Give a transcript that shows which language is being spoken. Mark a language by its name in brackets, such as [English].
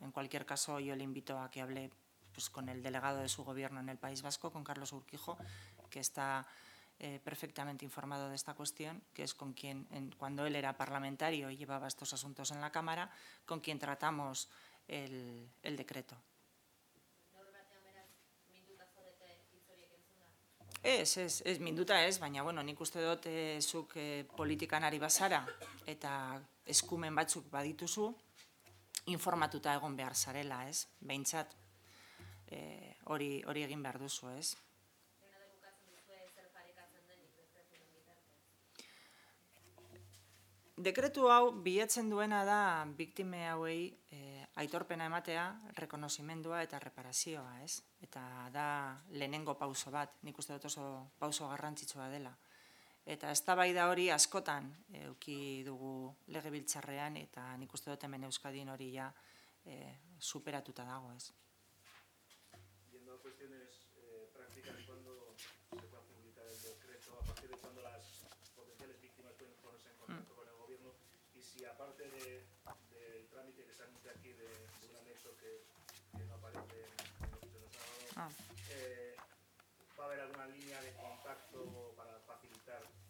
[Spanish] En cualquier caso, yo le invito a que hable con el delegado de su gobierno en el País Vasco, con Carlos Urquijo, que está perfectamente informado de esta cuestión, que es con quien, cuando él era parlamentario y llevaba estos asuntos en la Cámara, con quien tratamos el decreto. [Basque] Es minduta ez, baina, bueno, nik uste dut zuk politikan ari bazara eta eskumen batzuk badituzu, informatuta egon behar zarela, ez? Behintzat hori egin behar duzu, ez? Dekretu hau bilatzen duena da biktime hauei aitorpena ematea, rekonozimendua eta reparazioa, ez? Eta da lehenengo pauso bat, nik uste dut oso pauso garrantzitsua dela. Eta eztabaida hori askotan euki dugu legebiltzarrean eta nik uste dut hemen Euskadin hori ja superatuta dago, ez? [Spanish] Yendo a cuestiones prácticas, ¿cuándo se puede publicar el decreto? ¿A partir de cuándo las potenciales víctimas pueden ponerse en contacto con el gobierno? Y si aparte de, del trámite que se anuncia aquí de un anexo que no aparece en lo que se nos ha dado, ¿va a haber alguna línea de contacto para facilitar